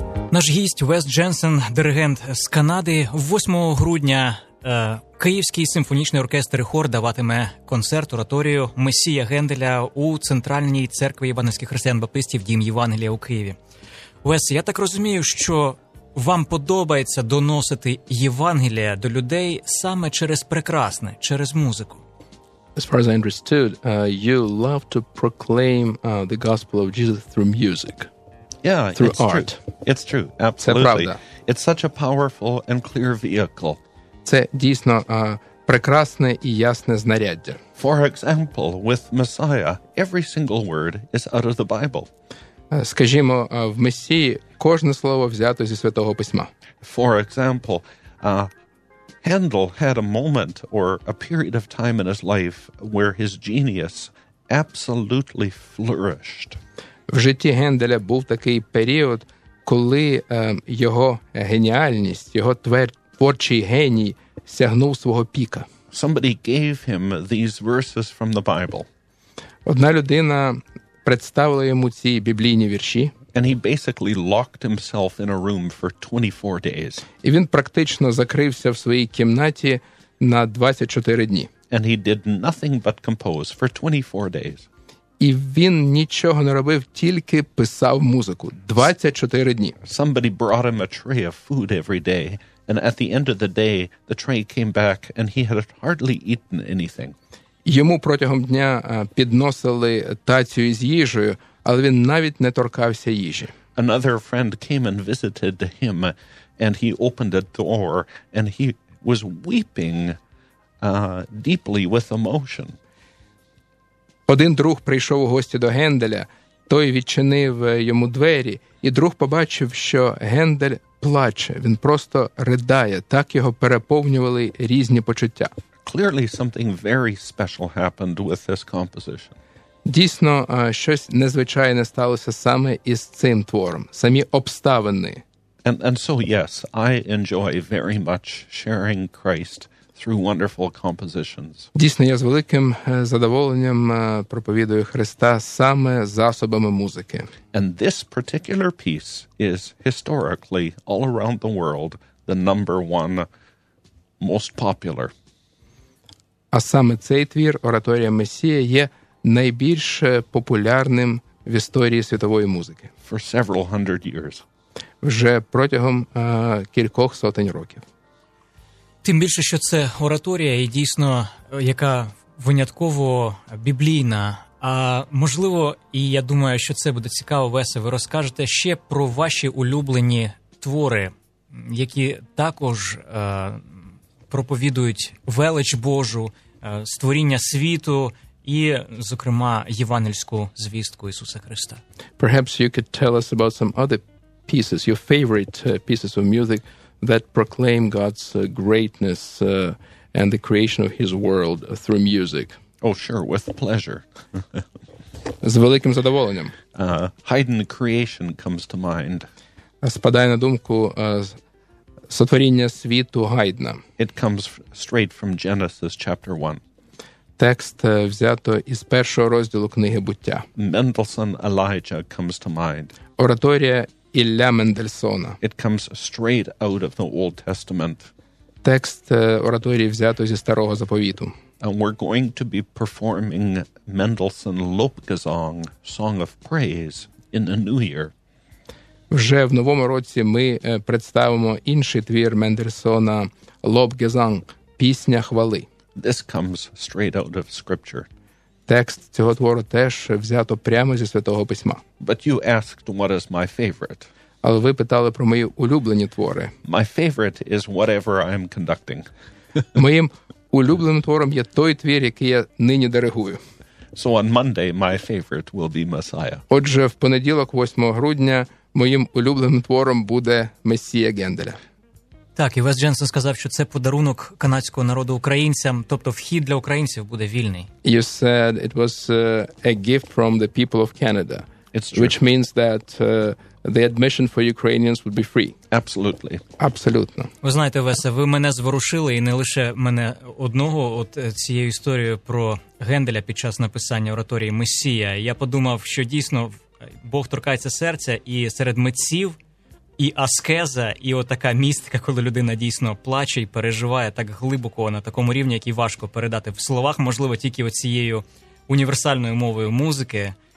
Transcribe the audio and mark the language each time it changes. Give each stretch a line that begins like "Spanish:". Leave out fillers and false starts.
Ukrainian: Наш гість Вес Дженсен, диригент з Канади, 8 грудня Київський симфонічний оркестр і хор даватиме концерт ораторію «Месія Генделя» у Центральній церкві Євангельських християн-баптистів «Дім Євангелія» у Києві. Вес, я так розумію, що вам подобається доносити Євангелія до людей саме через прекрасне, через музику.
English: As far as I understood, you love to proclaim the gospel of Jesus through music. Yeah, through it's art. True. It's true. Absolutely. It's such a powerful and clear vehicle.
Ukrainian: Це дійсно прекрасне і ясне знаряддя.
English: For example, with Messiah, every single word is out of the Bible.
Ukrainian: Скажімо, в Месії кожне слово взято зі Святого Письма.
English: For example, Handel had a moment or a period of time in his life where his genius absolutely flourished.
Ukrainian: В житті Генделя був такий період, коли його геніальність, його творчий геній сягнув свого піка.
English: Somebody gave him these verses from the Bible.
Ukrainian: Одна людина представили йому ці біблійні вірші.
English: And he basically locked himself in a room for 24 days.
Ukrainian: І він практично закрився в своїй кімнаті на 24 дні.
English: And he did nothing but compose for 24 days.
Ukrainian: І він нічого не робив, тільки писав музику 24 дні.
English: Somebody brought him a tray of food every day, and at the end of the day, the tray came back and he had hardly eaten anything.
Ukrainian: Йому протягом дня підносили тацію із їжею, але він навіть не торкався їжі.
English: Another friend came and visited him, and he opened a door, and he was weeping deeply with emotion.
Ukrainian: Один друг прийшов у гості до Генделя, той відчинив йому двері, і друг побачив, що Гендель плаче, він просто ридає, так його переповнювали різні почуття.
English: Clearly something very special happened with this composition.
Ukrainian: Дійсно, щось незвичайне сталося саме із цим твором, самі обставини.
English: And so, yes, I enjoy very much sharing Christ through wonderful compositions.
Ukrainian: Дійсно, я з великим задоволенням проповідую Христа саме засобами музики.
English: And this particular piece is historically all around the world the number one most popular.
Ukrainian: А саме цей твір, ораторія «Месія», є найбільш популярним в історії світової музики.
English: For several hundred years.
Ukrainian: Вже протягом кількох сотень років. Тим більше, що це ораторія, і дійсно, яка винятково біблійна. А можливо, і я думаю, що це буде цікаво, Весе, ви розкажете ще про ваші улюблені твори, які також проповідують велич Божу, створіння світу і, зокрема, євангельську звістку Ісуса Христа.
English: Perhaps you could tell us about some other pieces, your favorite pieces of music that proclaim God's greatness and the creation of his world through music. Oh, sure, with pleasure.
Ukrainian: З великим задоволенням.
English: Haydn Creation comes to mind.
Ukrainian: Спадає на думку сотворіння світу Гайдна.
English: It comes straight from Genesis chapter 1.
Ukrainian: Текст взято із першого розділу книги Буття.
English: Mendelssohn Elijah comes to mind.
Ukrainian: Ораторія Ілля Мендельсона.
English: It comes straight out of the Old Testament.
Ukrainian: Текст ораторії взято зі Старого Заповіту.
English: And we're going to be performing Mendelssohn Lobgesang, Song of Praise, in the new year.
Ukrainian: Вже в новому році ми представимо інший твір Мендельсона Lobgesang, Пісня хвали.
English: This comes straight out of scripture.
Ukrainian: Текст цього твору теж взято прямо зі Святого Письма.
English: But you asked what is my favorite.
Ukrainian: Але ви питали про мої улюблені твори.
English: My favorite is whatever I'm conducting.
Ukrainian: Моїм улюбленим твором є той твір, який я нині диригую.
English: So on Monday my favorite will be Messiah.
Ukrainian: Отже, в понеділок, 8 грудня, моїм улюбленим твором буде Месія Генделя. Так, і Вес Дженсен сказав, що це подарунок канадського народу українцям, тобто вхід для українців буде вільний.
English: You said it was a gift from the people of Canada. It's true. Which means that the admission for Ukrainians would be free. Absolutely.
Ukrainian: Абсолютно. Ви знаєте, Весе, ви мене зворушили, і не лише мене одного, от цією історією про Генделя під час написання ораторії «Месія». Я подумав, що дійсно Бог торкається серця, і серед митців, і аскеза, і отака містика, коли людина дійсно плаче і переживає так глибоко, на такому рівні, який важко передати в словах, можливо, тільки оцією універсальною мовою музики.